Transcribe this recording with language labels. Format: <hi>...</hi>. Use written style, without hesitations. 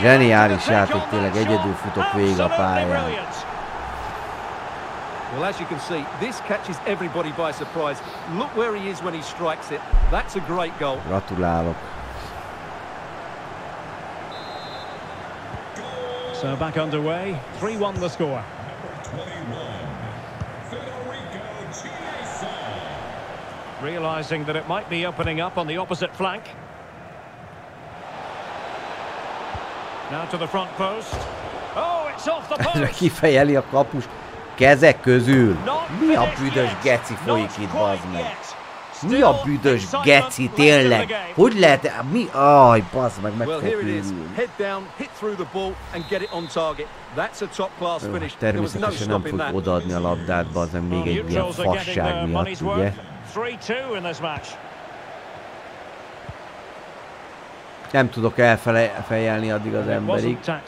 <hu>zseniális játék, tényleg egyedül futok végig a pályán.</hu> <en>Well, as you can see, this catches everybody by surprise. Look where he is when he strikes it. That's a great goal.</en> <hu>Gratulálok.</hu> <en>So back underway. 3-1 the score. Realizing that it might be opening up on the opposite flank. Now to the front post. Oh, it's off the post.</en> <hu>Ezre kifejeli a kapus. Kezek közül. Mi a büdös geci folyik itt, bazd meg? Mi a büdös geci, tényleg? Hogy lehet, mi? Aj, bazd meg, meg fog ülni.</hu> <en>Head down, hit through the ball and get it on target. That's a top class finish.</en> <hu>Természetesen nem fog odaadni a labdát, bazd meg, még egy ilyen fasság miatt, ugye?</hu> <en>3-2 in this match.</en> <hu>Nem tudok elfejelni addig az emberig.</hu>